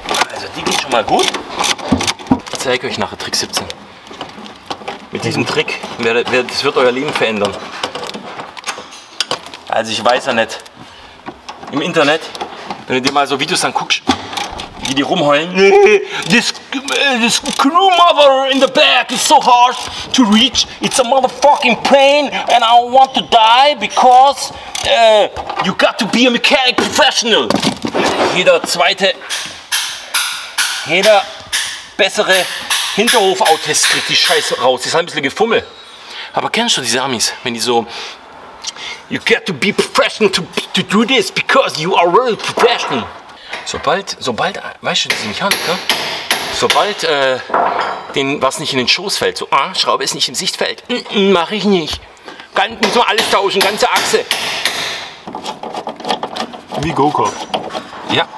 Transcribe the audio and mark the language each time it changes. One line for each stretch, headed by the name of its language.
German: Also die geht schon mal gut. Ich zeige euch nachher Trick 17. Mit diesem Trick, das wird euer Leben verändern. Also ich weiß ja nicht. Im Internet, wenn du dir mal so Videos dann guckst, wie die rumheulen.
English: This crew mother in the back is so hard to reach. It's a motherfucking pain and I want to die because you got to be a mechanic professional.
German: Jeder bessere Hinterhof-Autist kriegt die Scheiße raus. Das ist ein bisschen gefummelt. Aber kennst du diese Amis, wenn die so
English: You got to be professional to do this, because you are really professional.
German: Sobald, weißt du, diese Mechanik, ne? Sobald den was nicht in den Schoß fällt, so, Schraube ist nicht im Sichtfeld, mach ich nicht. Ganz, muss man alles tauschen, ganze Achse. Wie Go-Kart. Ja.